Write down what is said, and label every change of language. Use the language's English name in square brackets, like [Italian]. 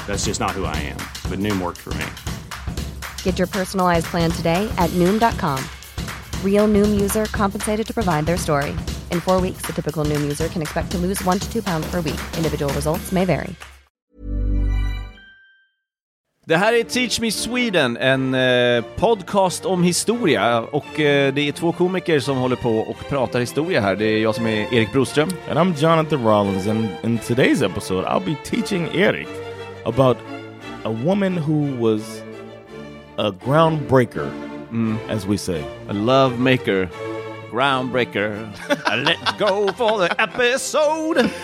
[English] That's just not who I am. But Noom worked for me. Get your personalized plan today at Noom.com. Real Noom user compensated to provide their story. In 4 weeks, the typical Noom user can expect to lose 1 to 2 pounds per week. Individual results may vary. [Swedish] Det här är Teach Me Sweden, en podcast om historia. Och det är två komiker som håller på och pratar historia här. Det är jag som är Erik Broström. [English] And I'm Jonathan Rollins. And in today's episode, I'll be teaching Erik about a woman who was a groundbreaker, as we say. A love maker. Groundbreaker. Let's go for the episode.